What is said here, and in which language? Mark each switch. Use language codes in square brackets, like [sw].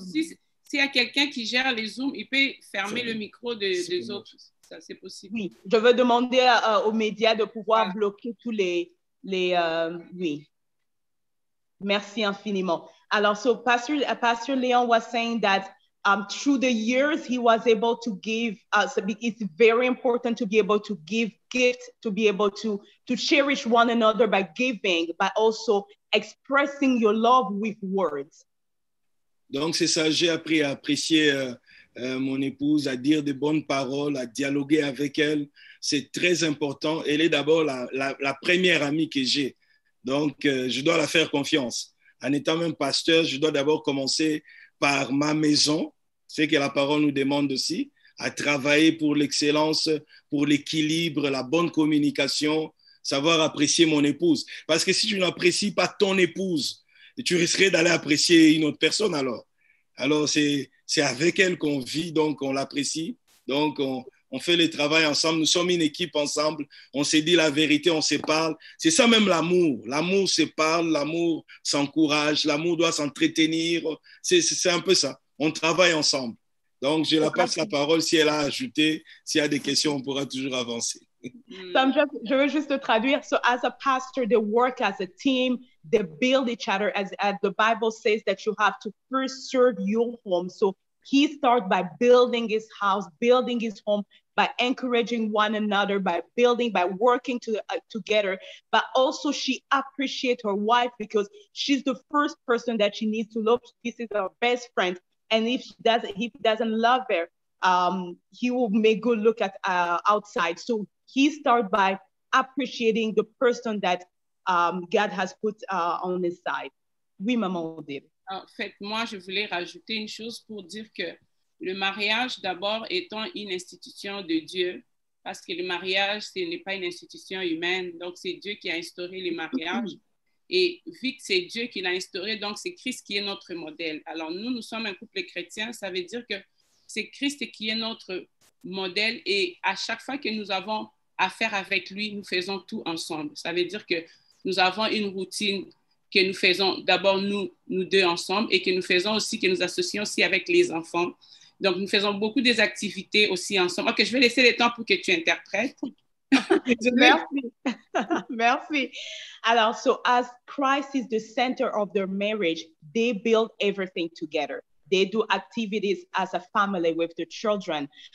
[fr] S'il y a quelqu'un qui gère les zooms, il peut fermer le micro des autres. Ça, c'est possible. Oui, je veux demander aux médias de pouvoir bloquer tous les oui. Merci infiniment. Alors, [en] so Pastor Leon was saying that through the years he was able to give us, it's very important to be able to give gifts, to be able to cherish one another by giving, but also expressing your love with words. [fr] Donc, c'est ça, j'ai appris à apprécier mon épouse, à dire de bonnes paroles, à dialoguer avec elle. C'est très important. Elle est d'abord la première amie que j'ai. Donc, je dois la faire confiance. En étant même pasteur, je dois d'abord commencer par ma maison. C'est ce que la parole nous demande aussi, à travailler pour l'excellence, pour l'équilibre, la bonne communication, savoir apprécier mon épouse. Parce que si tu n'apprécies pas ton épouse, tu risquerais d'aller apprécier une autre personne alors. Alors, c'est avec elle qu'on vit, donc on l'apprécie. Donc, on fait le travail ensemble. Nous sommes une équipe ensemble. On s'est dit la vérité, on se parle. C'est ça même l'amour. L'amour se parle, l'amour s'encourage, l'amour doit s'entretenir. C'est un peu ça. On travaille ensemble. Donc, je la passe la parole. Si elle a ajouté, s'il y a des questions, on pourra toujours avancer. Je veux juste traduire. [en] So, as a pastor, they work as a team. they build each other, as the Bible says that you have to first serve your home. So he starts by building his house, building his home, by encouraging one another, by building, by working together. But also she appreciates her wife because she's the first person that she needs to love. This is her best friend. And if she doesn't, he doesn't love her, he will make good look at outside. So he starts by appreciating the person that God has put on his side. [fr] Oui, Maman Odile. En fait, moi, je voulais rajouter une chose pour dire que le mariage, d'abord, étant une institution de Dieu, parce que le mariage, ce n'est pas une institution humaine, donc c'est Dieu qui a instauré le mariage. Et vu que c'est Dieu qui l'a instauré, donc c'est Christ qui est notre modèle. Alors nous, nous sommes un couple chrétien, ça veut dire que c'est Christ qui est notre modèle et à chaque fois que nous avons affaire avec lui, nous faisons tout ensemble. Ça veut dire que nous avons une routine que nous faisons d'abord nous deux ensemble et que nous faisons aussi, que nous associons aussi avec les enfants. Donc, nous faisons beaucoup des activités aussi ensemble. OK, je vais laisser le temps pour que tu interprètes. Merci. Merci. Alors, [en] so as Christ is the center of their marriage, they build everything together. They do activities as a family with the children.